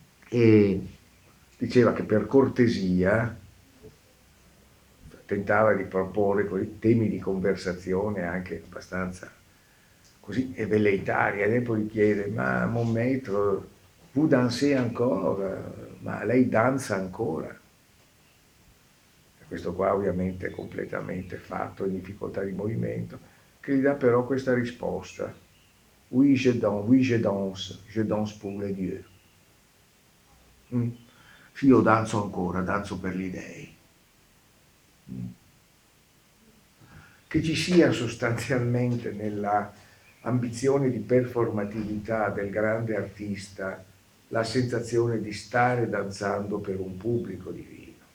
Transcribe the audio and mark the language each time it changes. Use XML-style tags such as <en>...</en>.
<it>E diceva che per cortesia tentava di proporre quei temi di conversazione anche abbastanza così velleitari, e poi chiede:</it> <fr>ma mon maître, vous dansez encore?</fr> <it>Ma lei danza ancora? Questo qua ovviamente è completamente fatto in difficoltà di movimento, che gli dà però questa risposta.</it> <fr>Oui, je danse pour les dieux.</fr> <it>Sì, io danzo ancora, danzo per gli dèi. Che ci sia sostanzialmente nella ambizione di performatività del grande artista la sensazione di stare danzando per un pubblico divino.</it>